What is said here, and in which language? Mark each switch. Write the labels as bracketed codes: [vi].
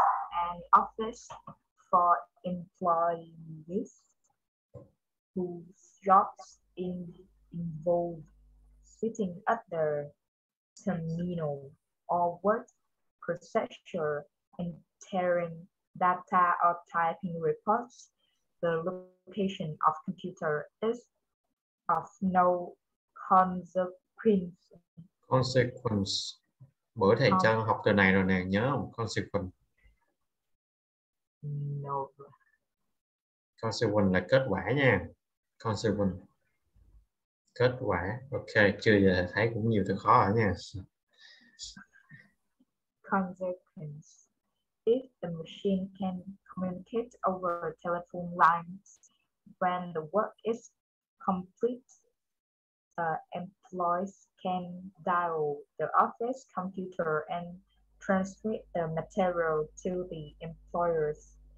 [en] an office for employees whose jobs involve sitting at the terminal or word processor entering data or typing reports. The location of computer is of no consequence. Consequence. [vi] Bữa thầy cho học từ này rồi nè, nhớ không? [en] Consequence. No. [vi] Consequence là kết quả nha. Consequence. Kết quả. Ok, chưa giờ thấy cũng nhiều từ khó rồi nha. [en] Consequence. If the machine can communicate over telephone lines when the work is complete, employees can dial the office computer and transmit the material to the employers.